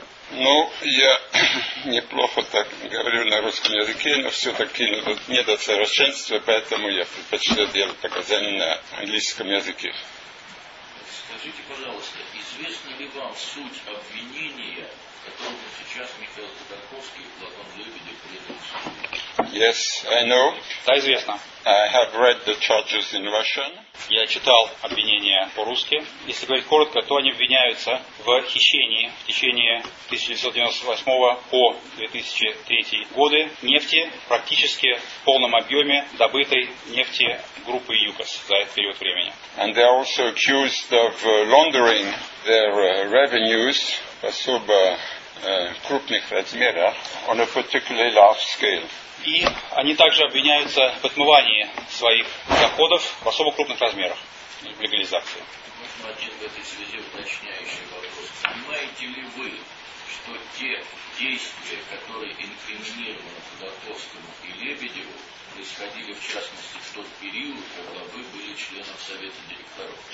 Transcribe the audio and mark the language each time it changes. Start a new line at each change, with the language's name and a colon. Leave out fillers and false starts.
Russian: Ну, я неплохо так говорю на русском языке, но все-таки не до совершенства, поэтому я предпочитаю делать показания на английском языке. Скажите, пожалуйста, известна ли вам суть обвинения, которому сейчас Михаил Ходорковский в Платон Лебеде предъявил?
English: Yes, I know.
Russian: Да, известно.
English: I have read the charges in Russian.
Russian: Я читал обвинения по-русски. Если говорить коротко, то они обвиняются в хищении в течение 1998 по 2003 годы нефти, практически в полном объеме добытой нефти группы ЮКОС за этот период времени.
English: And they are also accused of laundering their revenues
Russian: в особо крупных размерах
English: on a particularly large scale.
Russian: И они также обвиняются в отмывании своих доходов в особо крупных размерах, в легализации. Можно один в этой связи уточняющий вопрос. Понимаете ли вы, что те действия, которые инкриминированы Ходорковскому и Лебедеву, происходили в частности в тот период, когда вы были членом Совета директоров?